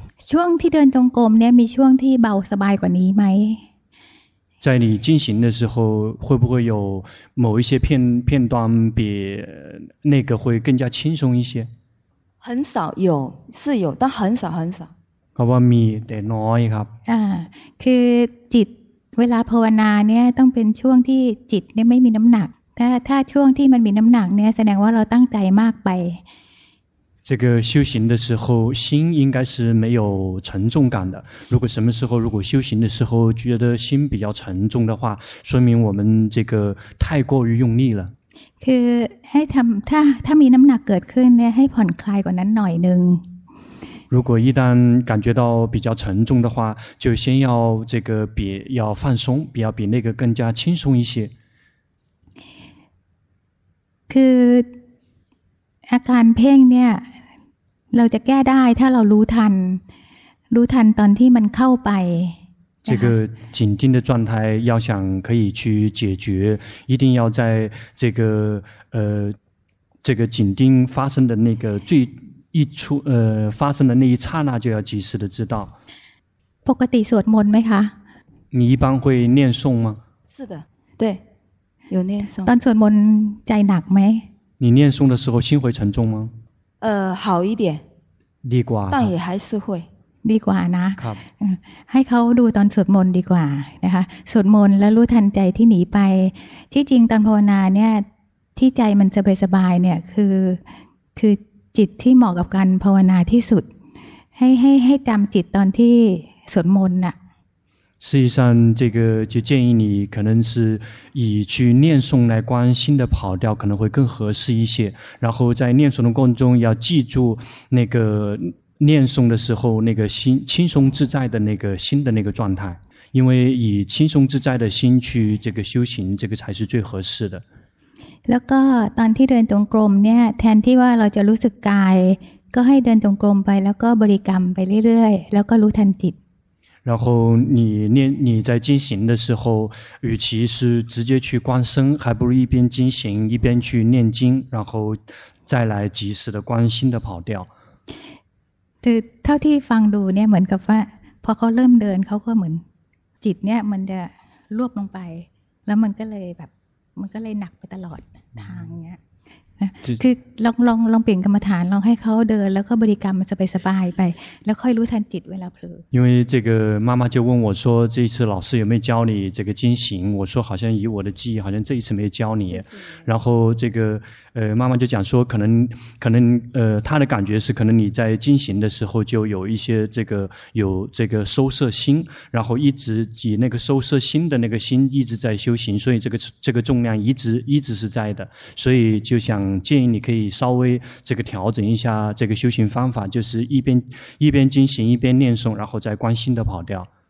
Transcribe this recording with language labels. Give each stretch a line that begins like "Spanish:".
Thai: ช่วงที่เดินจงกรมเนี่ยมีช่วงที่เบาสบายกว่านี้ไหม
Chinese: 在你进行的时候会不会有某一些片段比那个会更加轻松一些很少有是有但很少很少
Thai: คำว่ามีแต่น้อยครับ คือจิตเวลาภาวนาเนี่ยต้องเป็นช่วงที่จิตเนี่ยไม่มีน้ำหนักถ้าช่วงที่มันมีน้ำหนักเนี่ยแสดงว่าเราตั้งใจมากไป
Chinese: 这个修行的时候心应该是没有沉重感的如果什么时候如果修行的时候觉得心比较沉重的话说明我们这个太过于用力了
Thai: คือให้ทำถ้ามีน้ำหนักเกิดขึ้นเนี่ยให้ผ่อนคลายกว่านั้นหน่อยนึง
Chinese: 如果一旦感觉到比较沉重的话就先要这个比要放松比要比那个更加轻松一些
Thai: คืออาการเพ่งเนี่ยเราจะแก้ได้ถ้าเรารู้ทันตอนที่มันเข้าไป
Chinese: 这个紧盯的状态要想可以去解决一定要在这个紧盯发生的那个最一出发生的那一刹那就要及时的知道
Thai: ปกติสวดมนต์ไหมคะ
Chinese: 你一般会念诵吗是的对有念诵
Thai: ตอนสวดมนต์ใจหนักไหม
Chinese: 你念诵的时候心会沉重吗好一点
Thai: ดีกว่า แต่
Chinese: 也还是会
Thai: ดีกว่านะ ครับ ให้เขาดูตอนสวดมนต์ดีกว่านะคะสวดมนต์แล้วรู้ทันใจที่หนีไปที่จริงตอนภาวนาเนี่ยที่ใจมันสบายๆเนี่ยคือจิตที่เหมาะกับการภาวนาที่สุดให้จำจิตตอนที่สวดมนต์น่ะ
Chinese: 事实上这个就建议你可能是以去念诵来观心的跑调可能会更合适一些然后在念诵的过程中要记住那个念诵的时候那个心轻松自在的那个心的那个状态因为以轻松自在的心去这个修行这个才是最合适的
Thai: แล้วก็ตอนที่เดินจงกรมเนี่ยแทนที่ว่าเราจะรู้สึกกายก็ให้เดินจงกรมไปแล้วก็บริกรรมไปเรื่อยๆแล้วก็รู้ทันจิต
Chinese: 然后你念你在进行的时候，与其是直接去观身，还不如一边进行一边去念经，然后再来及时的关心的跑掉。对，
Thai: เท่าที่ฟังดูเนี่ยเหมือนกับว่าพอเขาเริ่มเดินเขาก็เหมือนจิตเนี่ยมันจะรวบลงไปแล้วมันก็เลยแบบมันก็เลยหนักไปตลอดทางเนี่ยคือลองเปลี่ยนกรรมฐานลองให้เขาเดินแล้วก็บริกรรมสบายสบายไปแล้วค่อยรู้ทันจิตเวลาเผลอ
Chinese: 因为这个妈妈就问我说这次老师有没有教你这个经行我说好像以我的记忆好像这一次没有教你然后这个妈妈就讲说可能她的感觉是可能你在经行的时候就有一些这个有这个收摄心然后一直以那个收摄心的那个心一直在修行所以这个重量一直是在的所以就想建议你可以稍微这个调整一下这个修行方法就是一边进行一边念诵然后再关心的跑掉